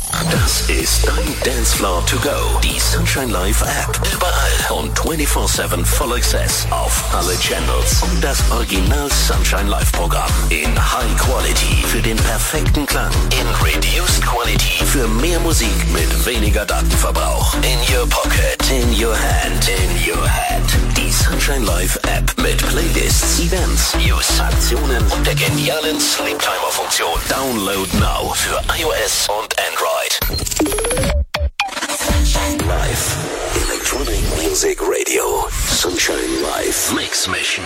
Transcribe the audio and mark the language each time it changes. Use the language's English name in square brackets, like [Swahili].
[German] Das ist dein Dancefloor to go. Die Sunshine Live App. Überall und 24/7 Full Access auf alle Channels. Und das Original Sunshine Live Programm in High Quality für den perfekten Klang. In Reduced Quality für mehr Musik mit weniger Datenverbrauch. [English] In your pocket, in your hand, in your head. [German] Die Sunshine Live App mit Playlists, Events, News, Aktionen und der genialen Sleep Timer Funktion. Download now für iOS und Android. Sunshine Live, Electronic Music Radio, Sunshine Live Mix Mission.